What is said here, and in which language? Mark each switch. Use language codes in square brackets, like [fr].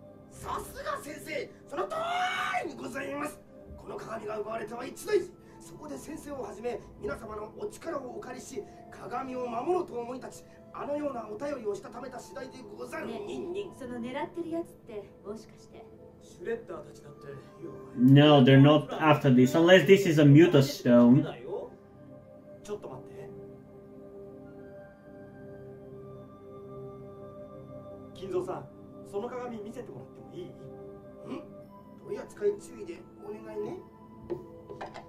[ja] さすが先生、その通りにございます。この鏡が奪われては一大事。そこで先生をはじめ皆様のお力をお借りし、鏡を守ろうと思い立ち、あのようなお便りをしたためた次第でござる。ニンニン、その狙ってるやつってもしかしてシュレッダーたちだって？ [en] No, they're not after this, unless this is a mutant stone. [ja] ちょっと待って、金蔵さん、その鏡見せてもらってもいい？取り扱い注意でお願いね。